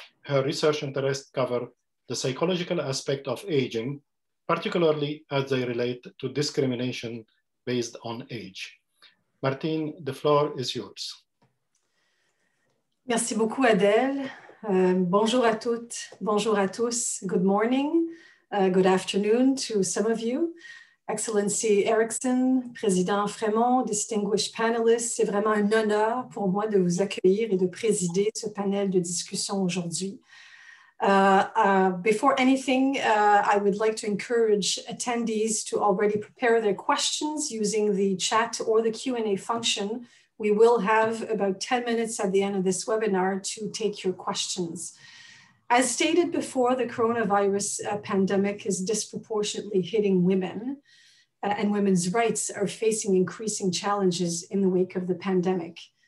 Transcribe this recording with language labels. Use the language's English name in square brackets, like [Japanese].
[English] Her research interests cover the psychological aspect of aging, particularly as they relate to discrimination based on age. Martine, the floor is yours. [French] Merci beaucoup, Adèle. Bonjour à toutes, bonjour à tous. [English] Good morning, good afternoon to some of you. [French] Excellency Erickson, Président Frémont, [English] distinguished panelists, [French] c'est vraiment un honneur pour moi de vous accueillir et de présider ce panel de discussion aujourd'hui. [English] Before anything, I would like to encourage attendees to already prepare their questions using the chat or the Q&A function. We will have about 10 minutes at the end of this webinar to take your questions. As stated before, the coronavirus pandemic is disproportionately hitting women, and women's rights are facing increasing challenges in the wake of the pandemic.